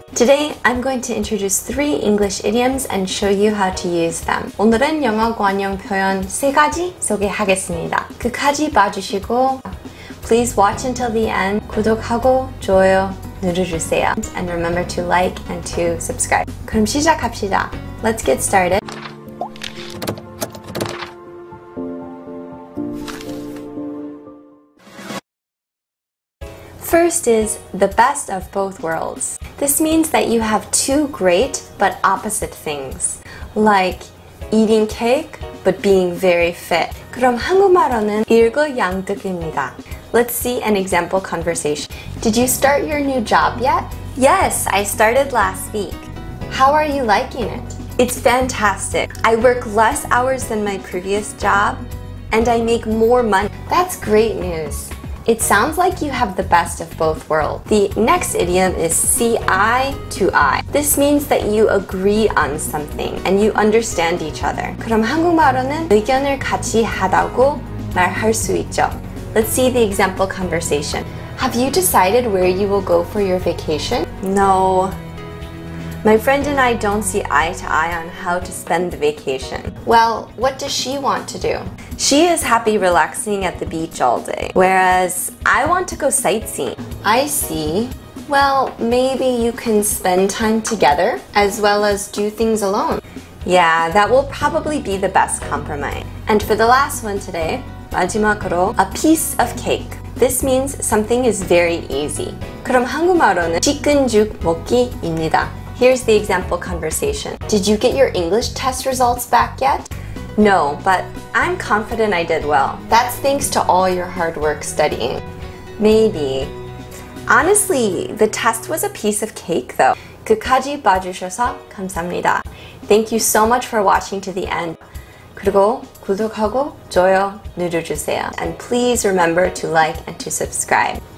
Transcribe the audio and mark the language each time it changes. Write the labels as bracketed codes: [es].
[en] Today, I'm going to introduce three English idioms and show you how to use them. [ko] 오늘은 영어 관용 표현 세 가지 소개하겠습니다. 끝까지 봐주시고, [en] please watch until the end. [ko] 구독하고 좋아요 눌러주세요. [en] And remember to like and to subscribe. [ko] 그럼 시작합시다. [en] Let's get started. 1st is the best of both worlds. This means that you have two great but opposite things, like eating cake but being very fit. [ko] 그럼 한국말로는 일거양득입니다. [en] Let's see an example conversation. Did you start your new job yet? Yes, I started last week. How are you liking it? It's fantastic. I work less hours than my previous job and I make more money. That's great news. It sounds like you have the best of both worlds. The next idiom is see eye to eye. This means that you agree on something and you understand each other. [ko] 그럼 한국말로는 의견을 같이 하다고 말할 수 있죠. [en] Let's see the example conversation. Have you decided where you will go for your vacation? No. My friend and I don't see eye to eye on how to spend the vacation. Well, what does she want to do? She is happy relaxing at the beach all day, whereas I want to go sightseeing. I see. Well, maybe you can spend time together as well as do things alone. Yeah, that will probably be the best compromise. And for the last one today, [ko] 마지막으로, [en] a piece of cake. This means something is very easy. [ko] 그럼 한국말로는 치킨죽 먹기입니다. [en] Here's the example conversation. Did you get your English test results back yet? No, but I'm confident I did well. That's thanks to all your hard work studying. Maybe. Honestly, the test was a piece of cake though. [ko] 끝까지 봐주셔서 감사합니다. [en] Thank you so much for watching to the end. [ko] 그리고 구독하고 좋아요 눌러주세요. [en] And please remember to like and to subscribe.